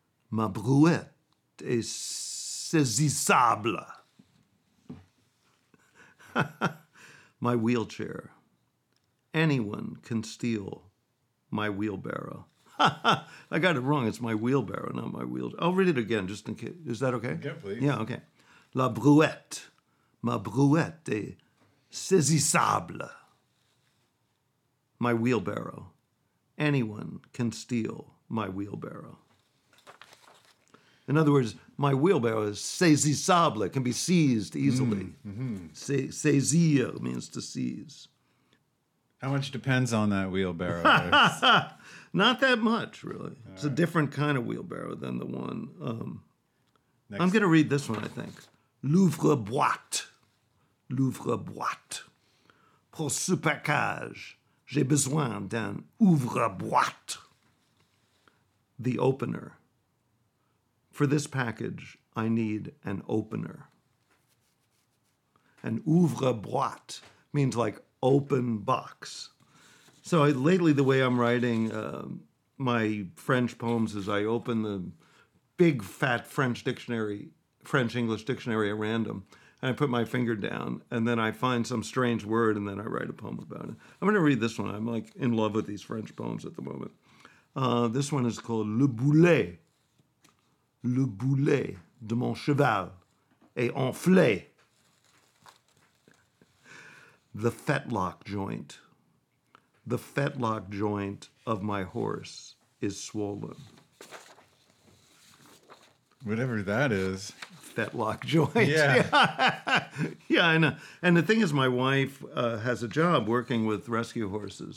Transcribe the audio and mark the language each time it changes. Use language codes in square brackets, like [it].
[fr] Ma brouette est saisissable. [en] my wheelchair. Anyone can steal my wheelbarrow. I got it wrong. It's my wheelbarrow, not my wheelchair. I'll read it again just in case. Is that okay? Yeah, please. Yeah, okay. La brouette. [fr] Ma brouette est saisissable. [en] My wheelbarrow. Anyone can steal my wheelbarrow. In other words, my wheelbarrow is saisissable. It can be seized easily. Mm-hmm. Saisir means to seize. How much depends on that wheelbarrow? Not that much, really. All it's right. A different kind of wheelbarrow than the one. I'm going to read this one, I think. [fr] L'ouvre boîte. L'ouvre boîte. Pour ce package, j'ai besoin d'un ouvre boîte. [en] The opener. For this package, I need an opener. An ouvre boîte means like open box. So lately, the way I'm writing my French poems is I open the big fat French dictionary, French English dictionary at random, and I put my finger down, and then I find some strange word, and then I write a poem about it. I'm going to read this one. I'm like in love with these French poems at the moment. This one is called Le boulet. [fr] Le boulet de mon cheval est enflé. [en] The fetlock joint. The fetlock joint of my horse is swollen. Whatever that is. Fetlock joint. Yeah. Yeah, I know. And the thing is, my wife has a job working with rescue horses.